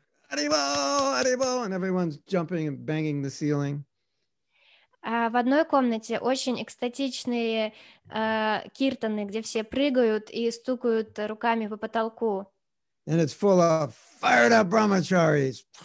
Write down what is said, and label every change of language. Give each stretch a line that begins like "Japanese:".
English: Arivo, arivo, and everyone's jumping and banging the ceiling.
Russian: В одной комнате очень экстатичные киртаны, где все прыгают и стукают руками по потолку.
English: And it's full of fired up brahmacharis.